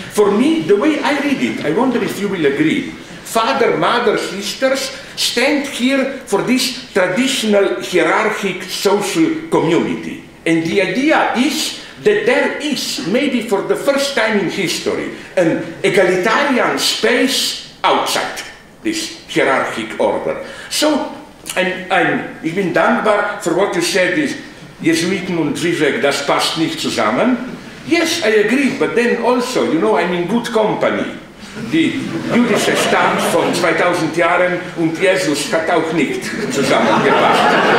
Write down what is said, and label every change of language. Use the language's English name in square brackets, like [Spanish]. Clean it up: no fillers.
[English] For me, the way I read it, I wonder if you will agree, father, mother, sisters stand here for this traditional hierarchic social community. And the idea is that there is, maybe for the first time in history, an egalitarian space outside this hierarchic order. So, I'm even dankbar for what you said is, [German] Jesuiten und Zizek, das passt nicht zusammen. [English] Yes, I agree, but then also, you know, I'm in good company. [German] The jüdische Stamm von 2000 Jahren und Jesus hat auch nicht zusammengepasst.